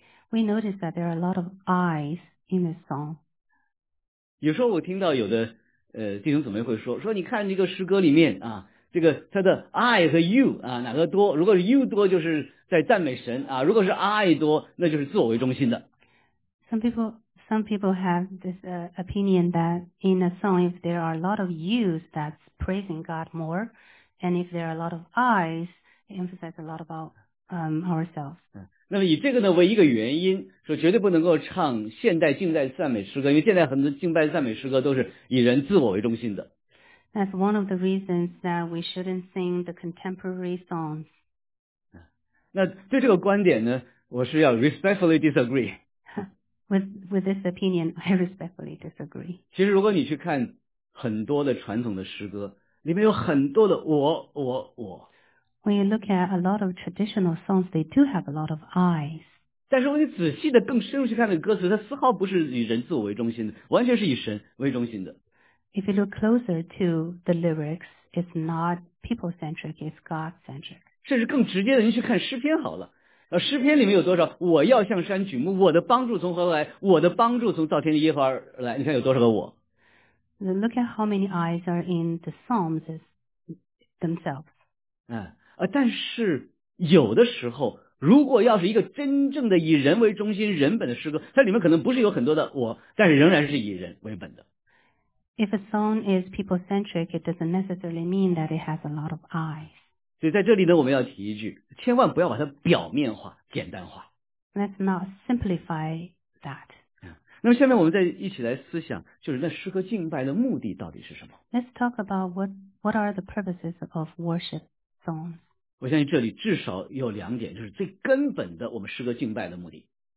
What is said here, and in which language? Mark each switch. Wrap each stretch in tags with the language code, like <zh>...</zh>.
<en>We notice that there are a lot of I's in this song.</en> <zh>有时候我听到有的弟兄姊妹会说，你看这个诗歌里面啊，这个它的 I 和 you 啊哪个多？如果是 you 多，就是在赞美神啊；如果是 I 多，那就是自我为中心的。</zh> <en>Some people have this opinion that in a song, if there are a lot of you's, that's praising God more, and if there are a lot of I's, it emphasizes a lot about ourselves.</en> <zh>那么以这个呢为一个原因，说绝对不能够唱现代敬拜赞美诗歌，因为现在很多敬拜赞美诗歌都是以人自我为中心的。</zh> <en>That's one of the reasons that we shouldn't sing the contemporary songs.</en> <zh>那对这个观点呢，我是要</zh> <en>respectfully disagree。 With this opinion, I respectfully disagree.</en> <zh>其实如果你去看很多的传统的诗歌，里面有很多的我。</zh> <en>When you look at a lot of traditional songs, they do have a lot of I's.</en> <zh>但是如果你仔细的更深入去看那个歌词，它丝毫不是以人自我为中心的，完全是以神为中心的。</zh> <en>If you look closer to the lyrics, it's not people-centric, it's God-centric.</en> <zh>甚至更直接的，你去看诗篇好了。诗篇里面有多少？我要向山举目，我的帮助从何而来？我的帮助从造天地耶和华而来。你看有多少个我</zh> <en>？Look at how many eyes are in the Psalms themselves.</en> <zh>但是有的时候，如果要是一个真正的以人为中心、人本的诗歌，它里面可能不是有很多的我，但是仍然是以人为本的。</zh> <en>If a song is people-centric, it doesn't necessarily mean that it has a lot of eyes.</en> <zh>所以在这里呢，我们要提一句，千万不要把它表面化、简单化。</zh> <en>Let's not simplify that.</en> <zh>那么下面我们再一起来思想，就是那诗歌敬拜的目的到底是什么</zh> <en>？Let's talk about what are the purposes of worship songs.</en> <zh>我相信这里至少有两点，就是最根本的我们诗歌敬拜的目的。</zh>